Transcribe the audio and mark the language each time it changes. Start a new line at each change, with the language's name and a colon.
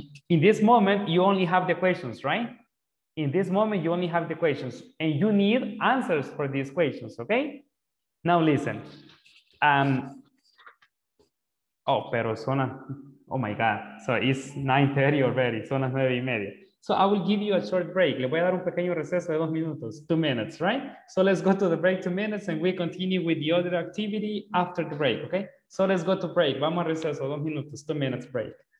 English: In this moment, you only have the questions, right? In this moment, you only have the questions, and you need answers for these questions, okay? Now listen. Oh,
Spanish: pero zona.
English: Oh my God. So it's 9:30 already. Zona 9:30. So I will give you a short break.
Spanish: Le voy a dar un pequeño receso de 2 minutos,
English: 2 minutes, right? So let's go to the break, 2 minutes, and we continue with the other activity after the break, okay? So let's go to break.
Spanish: Vamos a receso, 2 minutos,
English: 2 minutes break.